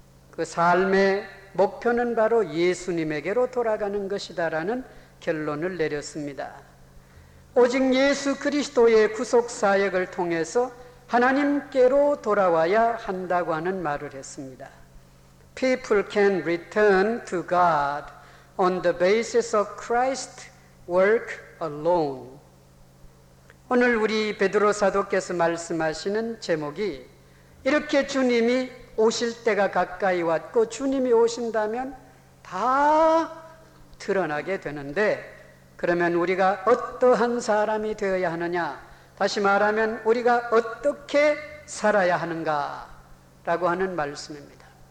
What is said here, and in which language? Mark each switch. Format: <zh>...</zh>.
<ko>그 삶의 목표는 바로 예수님에게로 돌아가는 것이다 라는 결론을 내렸습니다. 오직 예수 그리스도의 구속사역을 통해서 하나님께로 돌아와야 한다고 하는 말을 했습니다.</ko> <en>People can return to God on the basis of Christ's work alone.</en> <ko>오늘 우리 베드로 사도께서 말씀하시는 제목이 이렇게 주님이 오실 때가 가까이 왔고 주님이 오신다면 다 드러나게 되는데 그러면 우리가 어떠한 사람이 되어야 하느냐, 다시 말하면 우리가 어떻게 살아야 하는가 라고 하는 말씀입니다.</ko>